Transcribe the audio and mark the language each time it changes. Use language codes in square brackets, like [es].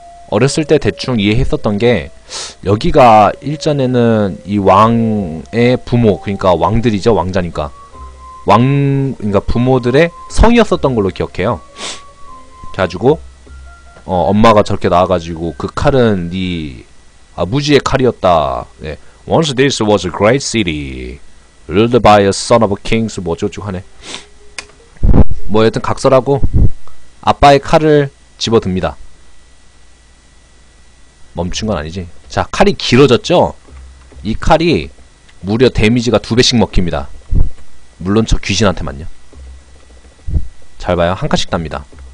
[ko] 어렸을 때 대충 이해했었던 게 여기가 일전에는 이 왕의 부모, 그러니까 왕들이죠. 왕자니까 왕, 그러니까 부모들의 성이었었던 걸로 기억해요. 그래가지고 어, 엄마가 저렇게 나와가지고 그 칼은 니 아버지의 칼이었다. 네. [en] Once this was a great city ruled by a son of a kings [ko] 뭐 어쩌고 하네. 뭐 여튼 각설하고 아빠의 칼을 집어듭니다. 멈춘 건 아니지. 자, 칼이 길어졌죠? 이 칼이 무려 데미지가 두 배씩 먹힙니다. 물론 저 귀신한테만요. 잘 봐요. 한 칸씩 납니다.